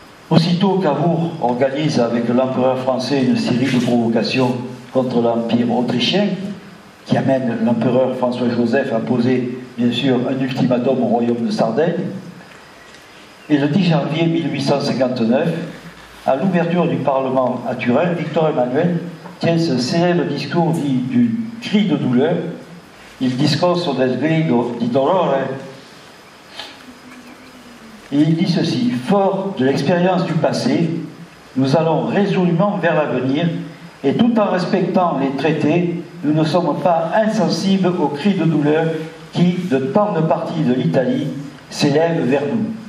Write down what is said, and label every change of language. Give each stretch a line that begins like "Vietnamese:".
French: Aussitôt, Cavour organise avec l'empereur français une série de provocations contre l'Empire autrichien, qui amène l'empereur François-Joseph à poser bien sûr un ultimatum au royaume de Sardaigne. Et le 10 janvier 1859, à l'ouverture du Parlement à Turin, Victor Emmanuel tient ce célèbre discours dit du cri de douleur.
Italian: Il discorso del grido di dolore.
French: Et il dit ceci: fort de l'expérience du passé, nous allons résolument vers l'avenir, et tout en respectant les traités, nous ne sommes pas insensibles aux cris de douleur qui, de tant de parties de l'Italie, s'élèvent vers nous.